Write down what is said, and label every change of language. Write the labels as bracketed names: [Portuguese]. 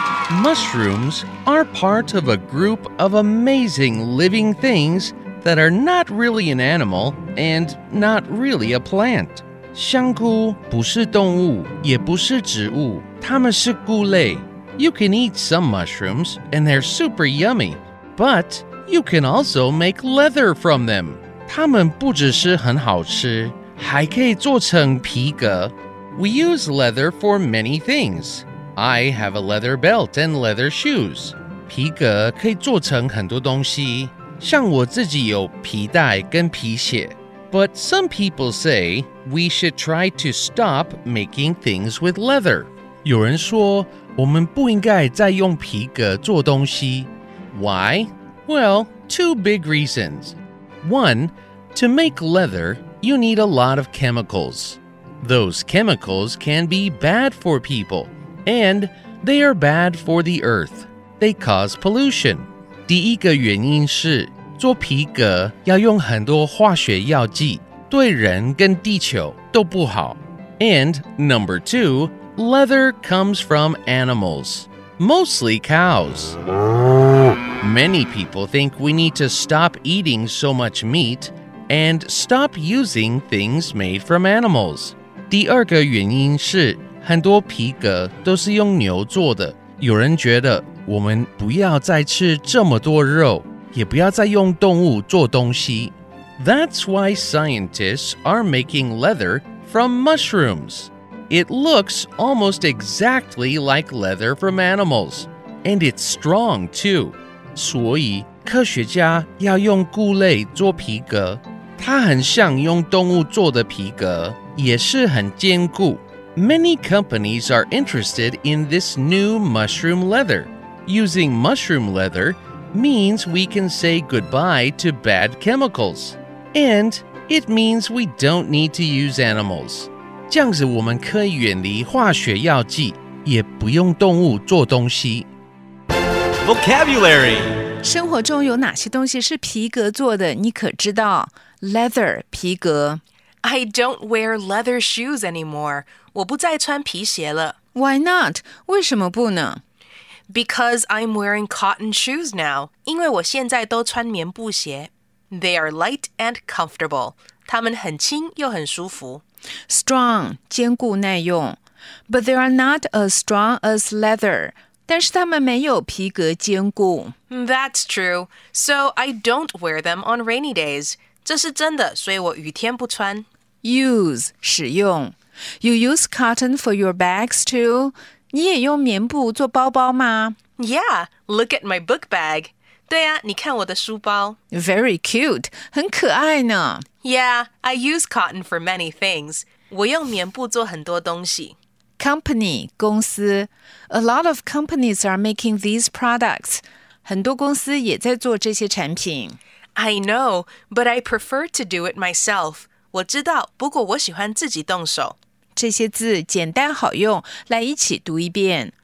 [English] Mushrooms are part of a group of amazing living things that are not really an animal and not really a plant. [Chinese] 香菇不是动物，也不是植物，它们是菇类。 [English] You can eat some mushrooms, and they're super yummy. But you can also make leather from them. [Chinese] 它们不只是很好吃，还可以做成皮革。 [English] We use leather for many things. I have a leather belt and leather shoes. [Chinese] 皮革可以做成很多东西，像我自己有皮带跟皮鞋。 [English] But some people say we should try to stop making things with leather. [Chinese] 有人说我们不应该再用皮革做东西。 [English] Why? Well, two big reasons. One, to make leather, you need a lot of chemicals. Those chemicals can be bad for people, and they are bad for the earth. They cause pollution. [Chinese] 第一个原因是做皮革要用很多化学药剂，对人跟地球都不好。 [English] And number two, leather comes from animals, mostly cows. Many people think we need to stop eating so much meat and stop using things made from animals. [Chinese] 第二个原因是很多皮革都是用牛做的，有人觉得我们不要再吃这么多肉。也不要再用动物做东西。 [English] That's why scientists are making leather from mushrooms. It looks almost exactly like leather from animals, and it's strong too. [Chinese] 所以科学家要用菇类做皮革，它很像用动物做的皮革，也是很坚固。 [English] Many companies are interested in this new mushroom leather. Using mushroom leather,means we can say goodbye to bad chemicals. And it means we don't need to use animals. [Chinese] 这样子我们可以远离化学药剂，也不用动物做东西。 [English] Vocabulary! [Chinese] 生活中有哪些东西是皮革做的，你可知道？ [English] Leather, 皮革。 I don't wear leather shoes anymore. [Chinese] 我不再穿皮鞋了。 [English] Why not? [Chinese] 为什么不呢？ [English] Because I'm wearing cotton shoes now. 因为我现在都穿棉布鞋。 They are light and comfortable. [Chinese] 它们很轻又很舒服。 [English] Strong, 坚固耐用。 But they are not as strong as leather. 但是它们没有皮革坚固。 That's true. So I don't wear them on rainy days. 这是真的，所以我雨天不穿。 Use, 使用。You use cotton for your bags too? [Chinese] 你也用棉布做包包吗? [English] Yeah, look at my book bag. [Chinese] 对啊,你看我的书包。 [English] Very cute, [Chinese] 很可爱呢。 [English] Yeah, I use cotton for many things. [Chinese] 我用棉布做很多东西。 [English] Company, 公司。 A lot of companies are making these products. [Chinese] 很多公司也在做这些产品。 [English] I know, but I prefer to do it myself. [Chinese] 我知道,不过我喜欢自己动手。这些字简单好用，来一起读一遍。